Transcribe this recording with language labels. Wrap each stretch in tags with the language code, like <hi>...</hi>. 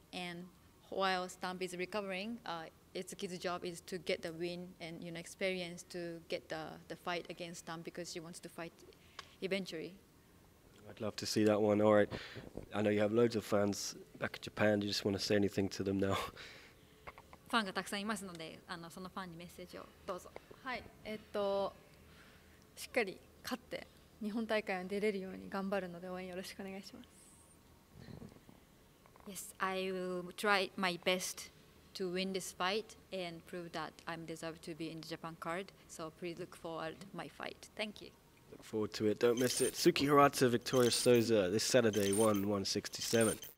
<en>And while Stamp is recovering, Itsuki's job is to get the win and, you know, experience to get the fight against Stamp because she wants to fight eventually. I'd love to see that one. All right. I know you have loads of fans back in Japan. Do you just want to say anything to them now?</en> <ja>ファンがたくさんいますので、そのファンにメッセージをどうぞ。はい。しっかり勝って、日本大会に出れるように頑張るので応援よろしくお願いします。</ja> <en>Yes, I will try my best to win this fight and prove that I'm deserve to be in the Japan card. So please look forward to my fight. Thank you. Look forward to it. Don't miss it. Suki Hirata, Victoria Souza, this Saturday, 1/167.</en>